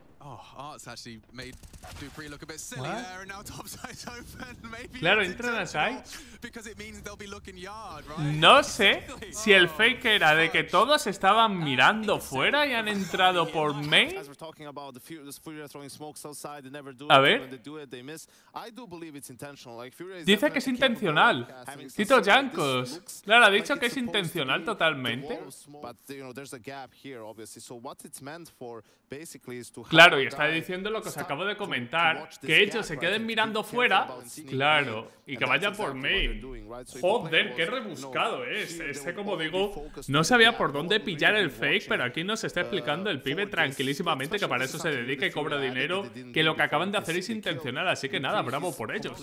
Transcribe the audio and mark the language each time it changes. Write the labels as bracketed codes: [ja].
[en] Oh, Art's actually made Dupree look a bit silly there, and now topside's open. Maybe. [es] Claro, entra en side. [en] Because it means they'll be looking yard, right? [es] No sé si el fake era de que todos estaban mirando fuera y han entrado por main. [en] As we're talking about the Fury throwing smokes outside, they never do it. [es] A ver. [en] When they do it, they miss. I do believe it's intentional. Like Fury is. [es] Dice que es intencional. Tito Jankos. Claro, ha dicho que es intencional totalmente. [en] But you know, there's a gap here, obviously. So what it's meant for, basically, is to. [es] Claro, y está diciendo lo que os acabo de comentar, que ellos se queden mirando fuera, claro, y que vayan por main. Joder, qué rebuscado es. Este, como digo, no sabía por dónde pillar el fake, pero aquí nos está explicando el pibe tranquilísimamente que para eso se dedica y cobra dinero, que lo que acaban de hacer es intencional, así que nada, bravo por ellos.